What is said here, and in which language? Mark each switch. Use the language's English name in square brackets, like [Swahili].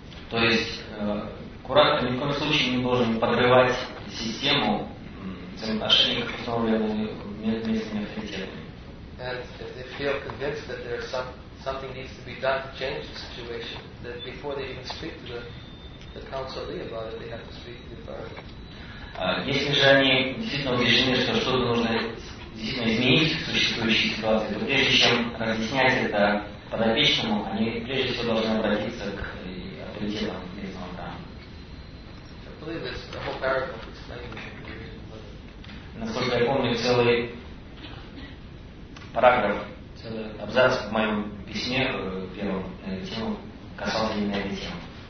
[Russian] То есть куратор ни в коем случае не должен подрывать систему взаимоотношений, установленные местными авторитетами. [English] And if they feel convinced that there's something needs to be done to change the situation, that before they even speak to the council leader about it, they have to speak to the authority. [Russian] Если же они действительно убеждены, что что-то нужно действительно изменить в существующей ситуации, то прежде чем разъяснять это подопечному, они прежде всего должны обратиться к авторитетам местного храма. [English] I believe it's the whole paragraph explaining the reason. [Russian] Насколько я помню, целый параграф, целый абзац в моем письме первом на эту тему касался именно этой темы.